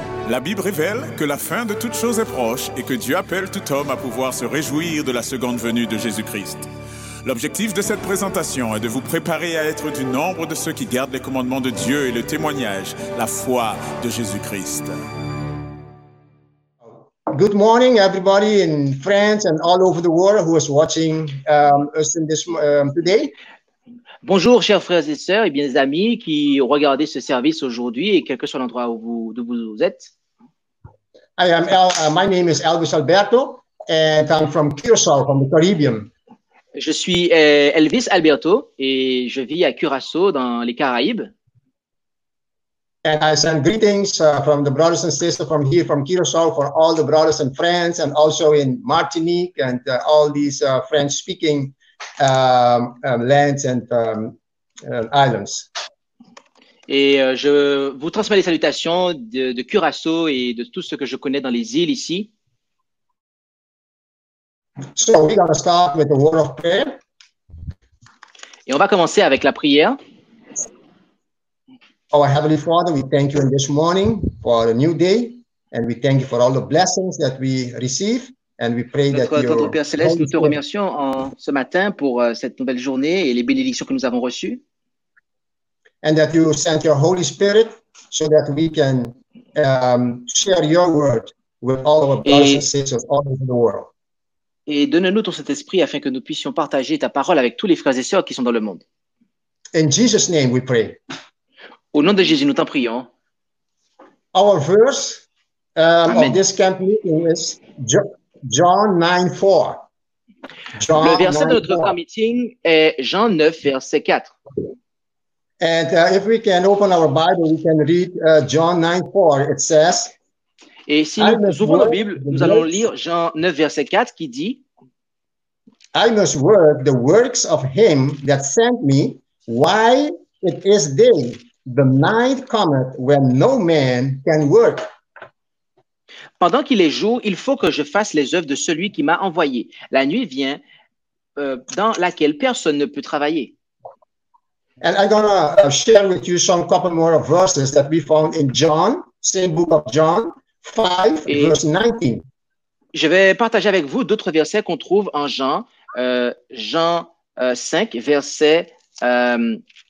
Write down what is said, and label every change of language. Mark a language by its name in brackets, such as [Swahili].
[French] La Bible révèle que la fin de toutes choses est proche et que Dieu appelle tout homme à pouvoir se réjouir de la seconde venue de Jésus-Christ. L'objectif de cette présentation est de vous préparer à être du nombre de ceux qui gardent les commandements de Dieu et le témoignage, la foi de Jésus-Christ. [English] Good morning, everybody in France and all over the world who is watching us in this today. [French] Bonjour, chers frères et sœurs et bien des amis qui regardez ce service aujourd'hui et quel que soit l'endroit où vous êtes. [English] My name is Elvis Alberto and I'm from Curaçao, from the Caribbean. [French] Je suis Elvis Alberto et je vis à Curaçao dans les Caraïbes. [English] And I send greetings from the brothers and sisters from here, from Curaçao, for all the brothers in France and also in Martinique and all these French-speaking lands and islands. [French] Et je vous transmets les salutations de Curaçao et de tout ce que je connais dans les îles ici. [English] So we're going to start with a word of prayer. [French] Et on va commencer avec la prière. [English] Our Heavenly Father, we thank you in this morning for a new day and we thank you for all the blessings that we receive. And we pray [French] notre [English] that [French] tendre Père Céleste, nous te remercions ce matin pour cette nouvelle journée et les bénédictions que nous avons reçues. [English] And that you sent your Holy Spirit so that we can share your word with all our brothers and sisters all over the world. [French] Et donne-nous ton Saint-Esprit afin que nous puissions partager ta parole avec tous les frères et sœurs qui sont dans le monde. [English] In Jesus' name we pray. [French] Au nom de Jésus, nous t'en prions. [English] Our verse of this camp meeting is John 9:4. [French] Le verset de notre camp meeting est Jean 9, verset 4. [English] And if we can open our Bible, we can read John 9:4. It says. [French] Et si nous ouvrons la Bible, nous allons lire Jean 9, verset 4, qui dit: [English] I must work the works of him that sent me while it is day. The night cometh when no man can work. [French] Pendant qu'il est jour, il faut que je fasse les œuvres de celui qui m'a envoyé. La nuit vient dans laquelle personne ne peut travailler. [English] And I'm going to share with you some couple more of verses that we found in John, same book of John, 5, et verse 19. [French] Je vais partager avec vous d'autres versets qu'on trouve en Jean, Jean 5, verset 19.